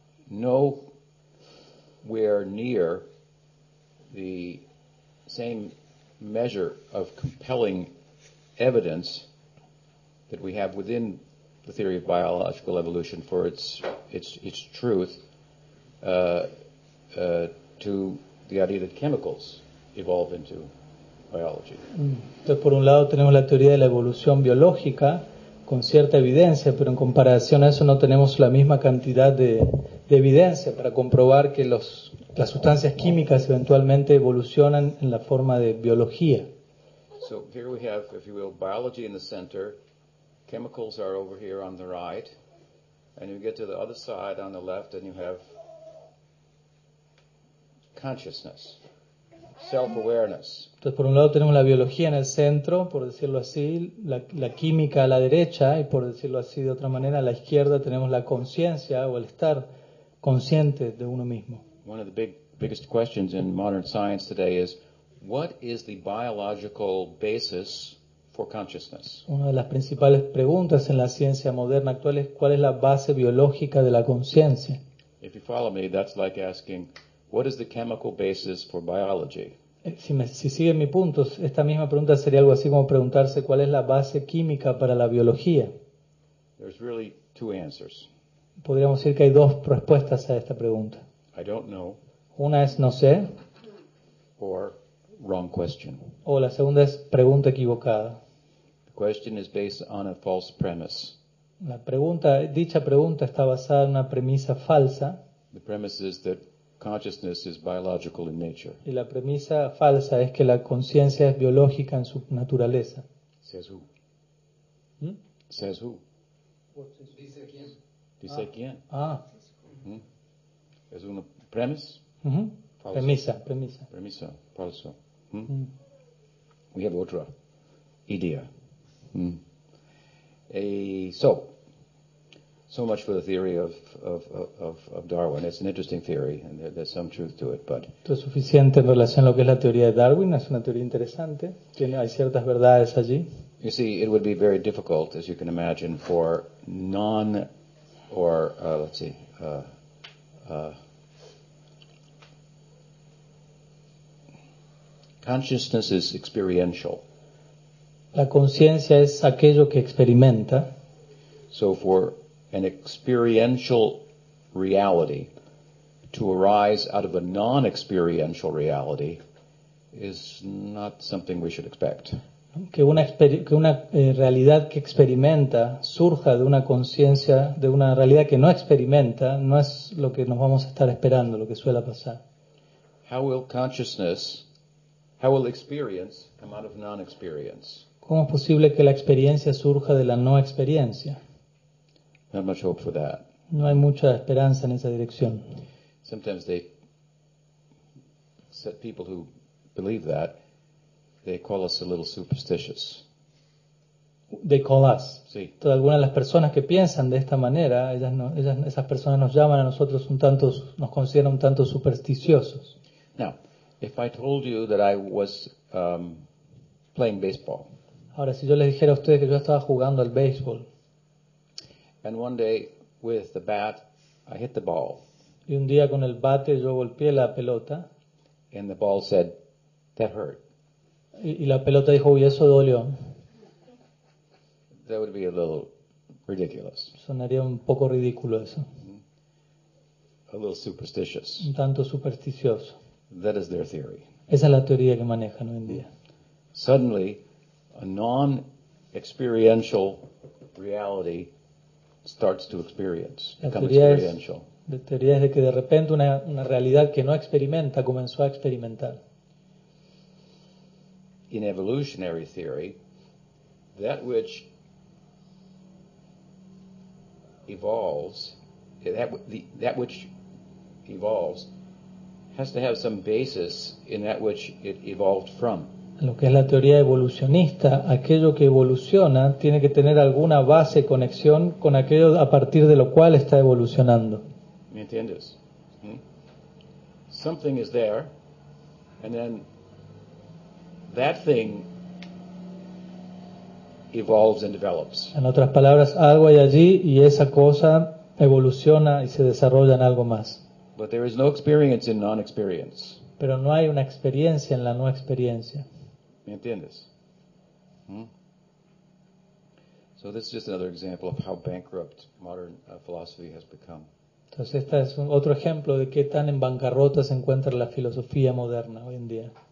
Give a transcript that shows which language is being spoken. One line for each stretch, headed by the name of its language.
English: nowhere near the same measure of compelling evidence that we have within the theory of biological evolution for its truth to the idea that chemicals evolve into biology.
Spanish: Entonces, por un lado tenemos la teoría de la evolución biológica con cierta evidencia, pero en comparación a eso no tenemos la misma cantidad de evidencia para comprobar que las sustancias químicas eventualmente evolucionan en la forma de biología.
English: So here we have, if you will, biology in the center. Chemicals are over here on the right. And you get to the other side on the left and you have consciousness, self-awareness.
Spanish: Entonces, por un lado tenemos la biología en el centro, por decirlo así, la química a la derecha, y por decirlo así de otra manera, a la izquierda tenemos la conciencia o el estar consciente de uno mismo.
English: One of the biggest questions in modern science today is, what is the biological basis for consciousness?
Spanish: Una de las principales preguntas en la ciencia moderna actual es, ¿cuál es la base biológica de la conciencia?
English: If you follow me, that's like asking, what is the chemical basis for biology?
Spanish: Si siguen mis puntos, esta misma pregunta sería algo así como preguntarse, ¿cuál es la base química para la biología?
English: There's really two answers.
Spanish: Podríamos decir que hay dos respuestas a esta pregunta.
English: I don't know.
Spanish: Una es no sé.
English: Or wrong question.
Spanish: O la segunda es pregunta equivocada.
English: The question is based on a false premise.
Spanish: Dicha pregunta está basada en una premisa falsa.
English: The premise is that consciousness is biological in nature.
Spanish: Y la premisa falsa es que la conciencia es biológica en su naturaleza.
English: Says who? Says who?
Spanish: Dice quién? Dice quién? Ah. Es una premise? Falso. Premisa. Premisa, falso.
English: We have
Spanish: otra idea.
English: So, So much for the theory of Darwin. It's an interesting theory, and there's some truth to it, but.
Spanish: Esto es suficiente en relación a lo que es la teoría de Darwin. Es una teoría interesante. Tiene hay ciertas verdades allí.
English: You see, it would be very difficult, as you can imagine, for non, or let's see, consciousness is experiential.
Spanish: La conciencia es aquello que experimenta.
English: So for an experiential reality to arise out of a non-experiential reality is not something we should expect.
Spanish: Que una realidad que experimenta surja de una conciencia, de una realidad que no experimenta, no es lo que nos vamos a estar esperando, lo que suele pasar.
English: How will experience come out of non-experience?
Spanish: ¿Cómo es posible que la experiencia surja de la no experiencia?
English: Not much hope for that.
Spanish: No hay mucha esperanza en esa dirección.
English: Sometimes they set people who believe that, they call us a little superstitious. They call us.
Spanish: Sí. Todas algunas de las personas que piensan de esta manera, esas personas nos llaman a nosotros un tanto, nos consideran un tanto supersticiosos.
English: Now, if I told you that I was playing baseball.
Spanish: Ahora, si yo les dijera a ustedes que yo estaba jugando al béisbol.
English: And one day, with the bat, I hit the ball.
Spanish: Y un día con el bate yo golpeé la pelota.
English: And the ball said, "That hurt."
Spanish: Y la pelota dijo, "Uy, eso dolió."
English: That would be a little ridiculous.
Spanish: Sonaría un poco ridículo eso.
English: A little superstitious.
Spanish: Un tanto supersticioso.
English: That is their theory.
Spanish: Esa es la teoría que manejan hoy en día.
English: Suddenly, a non-experiential reality starts to experience, become experiential.
Spanish: La teoría es de que de repente una realidad que no experimenta comenzó a experimentar.
English: In evolutionary theory, that which evolves, that which evolves has to have some basis in that which it evolved from.
Spanish: En lo que es la teoría evolucionista, aquello que evoluciona tiene que tener alguna base, conexión con aquello a partir de lo cual está evolucionando. ¿Me entiendes?
English: Something is there, and then that thing evolves and develops.
Spanish: En otras palabras, algo hay allí y esa cosa evoluciona y se desarrolla en algo más.
English: But there is no experience in non-experience.
Spanish: Pero no hay una experiencia en la no experiencia. ¿Me entiendes?
English: So this is just another example of how bankrupt modern philosophy has become.
Spanish: Entonces este es otro ejemplo de qué tan en bancarrota se encuentra la filosofía moderna hoy en día.